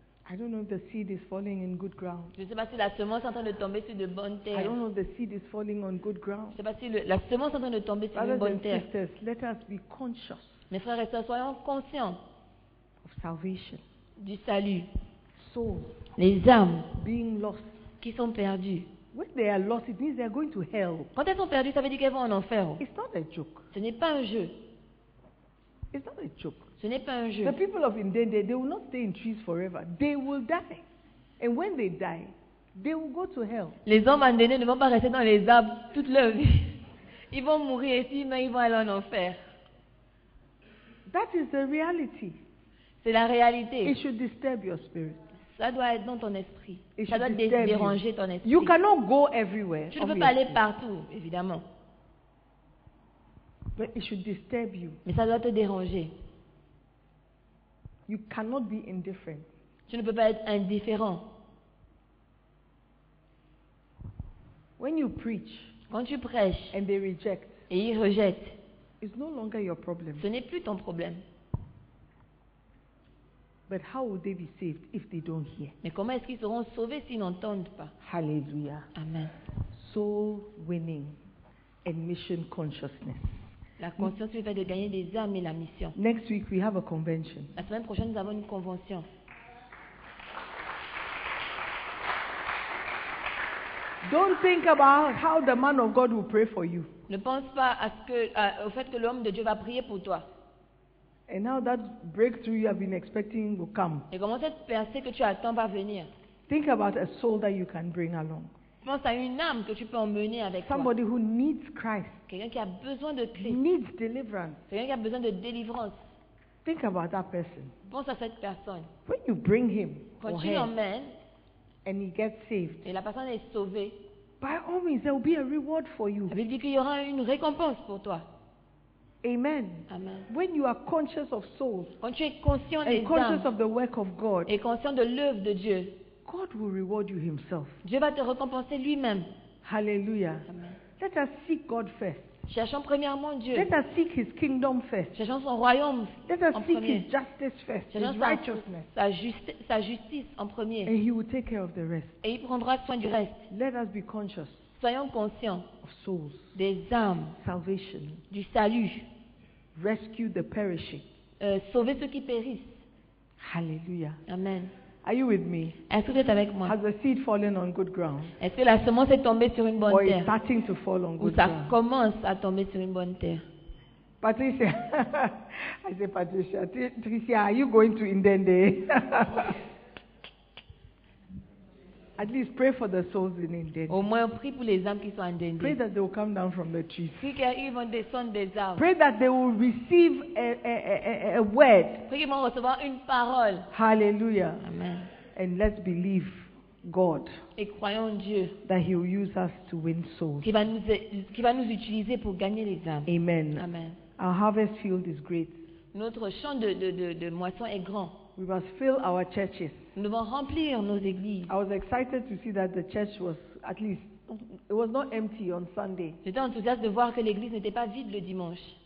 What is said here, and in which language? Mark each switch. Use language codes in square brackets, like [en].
[en] I don't know if the seed is falling in good ground. [fr] Je ne sais pas si la semence est en train de tomber sur de bonnes terres. [en] I don't know if the seed is falling on good ground. [fr] Je ne sais pas si la semence est en train de tomber sur de bonnes terres. [en] Brothers and sisters, let us be conscious. [fr] Mes frères et sœurs, soyons conscients. [en] Of salvation. [fr] Du salut. [en] Souls. [fr] Les âmes. [en] Being lost. [fr] Qui sont perdus. [en] When they are lost, it means they are going to hell. [fr] Quand elles sont perdues, ça veut dire qu'elles vont en enfer. [en] It's not a joke. [fr] Ce n'est pas un jeu. [en] It's not a joke. [fr] Ce n'est pas un jeu. [en] The people of Ndende, they will not stay in trees forever. They will die. And when they die, they will go to hell. [fr] Les hommes à Ndende ne vont pas rester dans les arbres toute leur vie. Ils vont mourir et si, mais ils vont aller en enfer. [en] That is the reality. [fr] C'est la réalité. [en] It should disturb your spirit. [fr] Ça doit être dans ton esprit. Ça doit déranger ton esprit. [en] You cannot go everywhere. [fr] Tu ne peux pas aller partout, évidemment. [en] But it should disturb you. [fr] Mais ça doit te déranger. [en] You cannot be indifferent. [fr] Tu ne peux pas être indifférent. [en] When you preach, [fr] quand tu prêches, [en] and they reject, [fr] et ils rejettent, [en] it's no longer your problem. [fr] Ce n'est plus ton problème. [en] But how will they be saved if they don't hear? [fr] Mais comment est-ce qu'ils seront sauvés s'ils n'entendent pas? Hallelujah. Amen. [en] Soul winning and mission consciousness. [fr] La conscience lui fait de gagner des âmes et la mission. [en] Next week we have a convention. [fr] La semaine prochaine nous avons une convention. [en] Don't think about how the man of God will pray for you. [fr] Ne pense pas à ce que, au fait que l'homme de Dieu va prier pour toi. [en] And now that breakthrough you have been expecting will come. [fr] Et comment cette percée que tu attends va venir? [en] Think about a soul that you can bring along. [fr] Pense à une âme que tu peux emmener avec toi. [en] Somebody who needs Christ. [fr] Quelqu'un qui a besoin de Christ. [en] Needs deliverance. [fr] Quelqu'un qui a besoin de délivrance. [en] Think about that person. [fr] Pense à cette personne. [en] When you bring him, [fr] quand [en] or [fr] tu l'emmènes, [en] and he gets saved. [fr] Et la personne est sauvée. [en] By all means, there will be a reward for you. [fr] Il dit qu'il y aura une récompense pour toi. Amen. Amen. [en] When you are conscious of souls, [fr] quand tu es conscient [en] and [fr] des [en] conscious [fr] âmes, [en] of the work of God, [fr] et conscient de l'œuvre de Dieu, [en] God will reward you Himself. [fr] Dieu va te récompenser lui-même. Hallelujah. Amen. [en] Let us seek God first. [fr] Cherchons premièrement Dieu. [en] Let us seek His kingdom first. [fr] Cherchons son royaume. [en] Let us [fr] en [en] seek [fr] premier. [en] His justice first. [fr] Cherchons [en] His righteousness. [fr] Sa justice en premier. [en] And He will take care of the rest. [fr] Et il prendra soin du reste. [en] Let us be conscious. [fr] Soyons conscients [en] of souls, [fr] des âmes, [en] salvation, [fr] du salut, [en] rescue the perishing, [fr] sauver ceux qui périssent. Hallelujah. Amen. [en] Are you with me? [fr] Est-ce que tu es avec moi? [en] Has the seed fallen on good ground? [fr] Est-ce que la semence est tombée sur une bonne [en] or [fr] terre? [en] Or is starting to fall on good [fr] ça [en] ground? [fr] Ça commence à tomber sur une bonne terre. [en] Patricia, I say Patricia, Patricia, are you going to Ndende? At least pray for the souls in Ndende. [fr] Au moins prie pour les âmes qui sont en Ndende. [en] Pray that they will come down from the trees. [fr] Prie qu'ils vont descendre des arbres. [en] Pray that they will receive a word. [fr] Prie qu'ils vont recevoir une parole. Hallelujah. Amen. [en] And let's believe God. [fr] Et croyons Dieu. [en] That He will use us to win souls. [fr] Qui va nous utiliser pour gagner les âmes. Amen. Amen. [en] Our harvest field is great. [fr] Notre champ de moisson est grand. [en] We must fill our churches. [fr] Nous devons remplir nos églises. [en] I was excited to see that the church was at least it was not empty on Sunday. [fr] J'étais enthousiaste de voir que l'église n'était pas vide le dimanche.